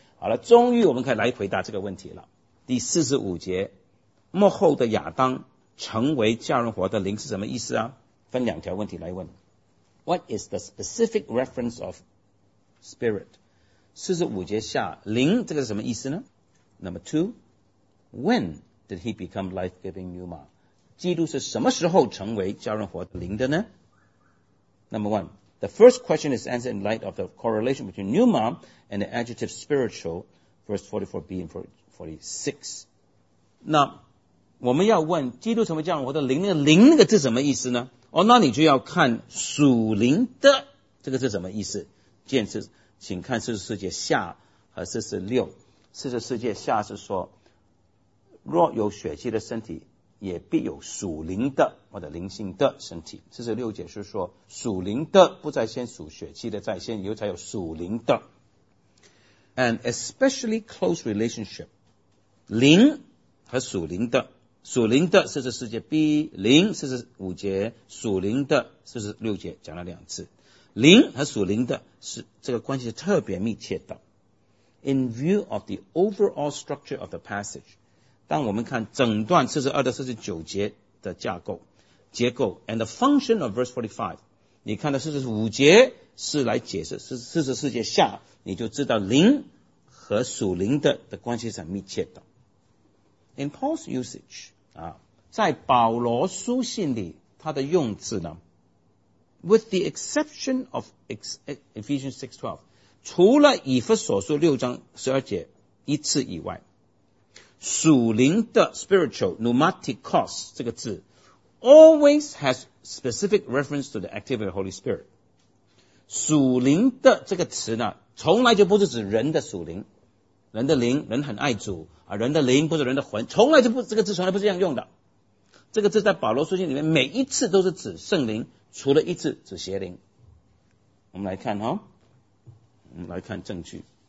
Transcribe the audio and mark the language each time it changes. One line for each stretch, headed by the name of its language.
Chinese: 好了终于我们可以来回答这个问题了第45节幕后的亚当成为叫人活的灵是什么意思啊分两条问题来问
English: What is the specific reference of spirit?
Chinese: 四十五节下灵这个是什么意思呢
English: Number two, when did he become life-giving pneuma?
Chinese: 基督是什么时候成为叫人活的灵的呢
English: Number one, the first question is answered in light of the correlation between pneuma and the adjective spiritual, verse 44b and 46.
Chinese: 那我们要问基督成为叫人活的灵，那个灵那个字什么意思呢哦，那你就要看属灵的这个是什么意思？见是，请看四十四节下和四十六。四十四节下是说，若有血气的身体，也必有属灵的或者灵性的身体。四十六节是说，属灵的不在先，属血气的在先，以后才有属灵的。
English: An especially close relationship，
Chinese: 灵和属灵的。属灵的四十四节 B 灵四十五节属灵的四十六节讲了两次灵和属灵的是这个关系是特别密切的
English: In view of the overall structure of the passage
Chinese: 当我们看整段四十二到四十九节的架构结构
English: and the function of verse 45
Chinese: 你看到四十五节是来解释四十四节下你就知道灵和属灵的关系是很密切的
English: In Paul's usage,
Chinese: 在保罗书信里他的用字呢
English: with the exception of Ephesians 6:12,
Chinese: 除了以弗所书六章十二节一次以外属灵的 spiritual, pneumaticos 这个字
English: always has specific reference to the activity of the Holy Spirit.
Chinese: 属灵的这个词呢从来就不是指人的属灵人的灵人很爱主啊，人的灵不是人的魂从来就不这个字从来不是这样用的这个字在保罗书信里面每一次都是指圣灵除了一次指邪灵我们来看哈、我们来看证据